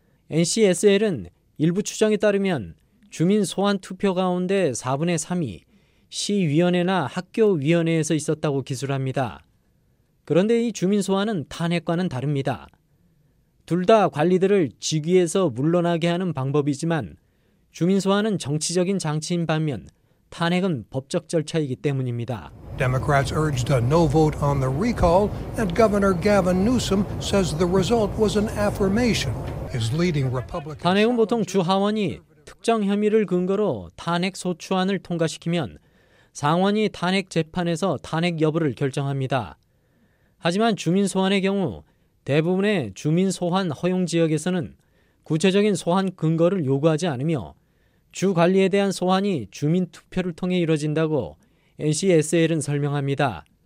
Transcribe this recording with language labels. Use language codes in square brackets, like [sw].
[ko] NCSL은 일부 추정에 따르면 주민 소환 투표 가운데 4분의 3이 시위원회나 학교위원회에서 있었다고 기술합니다. 그런데 이 주민 소환은 탄핵과는 다릅니다. 둘 다 관리들을 직위에서 물러나게 하는 방법이지만 주민 소환은 정치적인 장치인 반면 탄핵은 법적 절차이기 때문입니다. [en] Democrats urged a no vote on the recall and Governor Gavin Newsom says the result was an affirmation. His leading Republican [ko] 탄핵은 보통 주 하원이 특정 혐의를 근거로 탄핵 소추안을 통과시키면 상원이 탄핵 재판에서 탄핵 여부를 결정합니다. 하지만 주민 소환의 경우 대부분의 주민 소환 허용 지역에서는 구체적인 소환 근거를 요구하지 않으며 주 관리에 대한 소환이 주민 투표를 통해 이루어진다고 NCSL은 설명합니다.